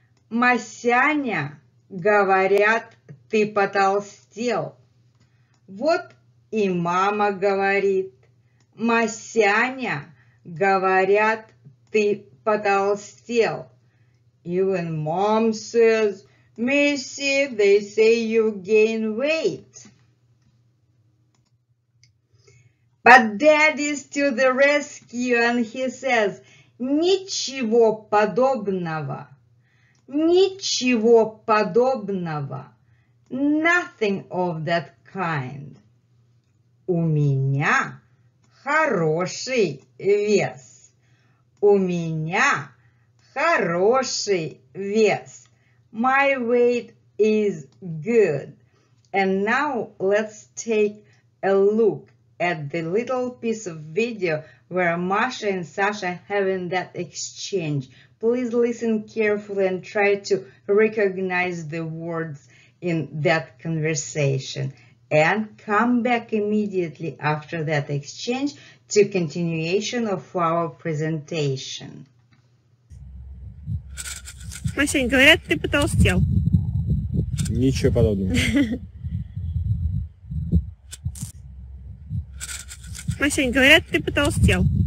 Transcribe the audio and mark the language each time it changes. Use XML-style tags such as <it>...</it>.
<ru>Масяня, говорят, ты потолстел. Вот и мама говорит. Масяня, говорят, ты потолстел.</ru> <en>Even mom says, Messi, they say you gain weight. But daddy's to the rescue and he says,</en> <ru>ничего подобного. Ничего подобного.</ru> <en>Nothing of that kind.</en> <ru>У меня хороший вес. У меня хороший вес.</ru> <en>My weight is good. And now let's take a look at the little piece of video where Masha and Sasha having that exchange. Please listen carefully and try to recognize the words in that conversation. And come back immediately after that exchange to continuation of our presentation.</en> <ru>Масянь, говорят, ты потолстел. Ничего подобного. Масянь, говорят, ты потолстел.</ru>